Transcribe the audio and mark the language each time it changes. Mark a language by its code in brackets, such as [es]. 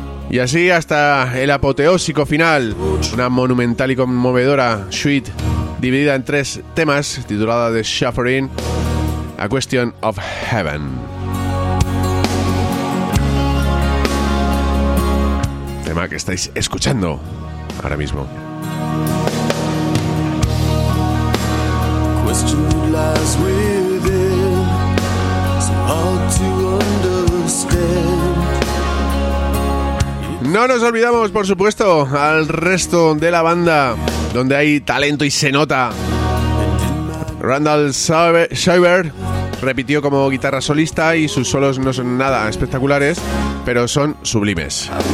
[es] Y así hasta el apoteósico final, una monumental y conmovedora suite dividida en tres temas, titulada The Shuffering, A Question of Heaven. Tema que estáis escuchando ahora mismo. [en] Question lies within, so hard to understand. [es] No nos olvidamos, por supuesto, al resto de la banda, donde hay talento y se nota. Randall Schaubert repitió como guitarra solista y sus solos no son nada espectaculares, pero son sublimes.